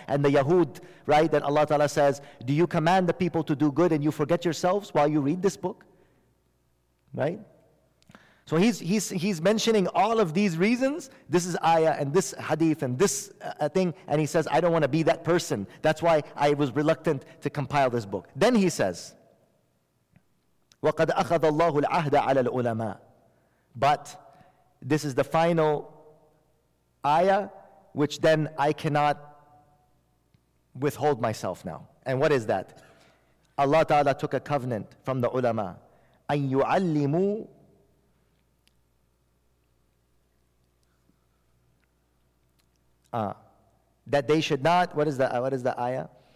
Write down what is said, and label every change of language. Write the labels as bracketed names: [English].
[English] And the Yahud, right, that Allah Ta'ala says, do you command the people to do good and you forget yourselves while you read this book? Right? So he's mentioning all of these reasons. This is ayah and this hadith and this thing. And he says, I don't want to be that person. That's why I was reluctant to compile this book. Then he says, [Arabic] وَقَدْ أَخَذَ اللَّهُ الْعَهْدَ عَلَى الْعُلَمَاءِ. [English] But this is the final ayah, which then I cannot withhold myself now. And what is that? Allah Ta'ala took a covenant from the ulama. [Arabic] أَنْ يُعَلِّمُوا [English] that they should not, what is the ayah?